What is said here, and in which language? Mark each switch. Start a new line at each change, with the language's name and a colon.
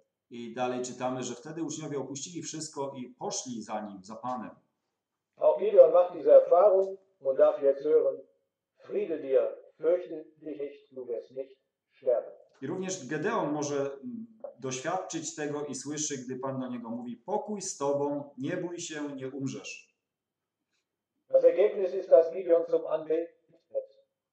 Polish: I dalej czytamy, że wtedy uczniowie opuścili wszystko i poszli za nim, za Panem.
German: Auch Gideon macht diese Erfahrung und darf jetzt hören, Friede dir, fürchte dich nicht, du wirst nicht sterben.
Polish: I również Gedeon może doświadczyć tego i słyszy, gdy Pan do niego mówi, pokój z tobą, nie bój się, nie umrzesz.
German: Das Ergebnis ist, dass Gideon zum Anbeten wird.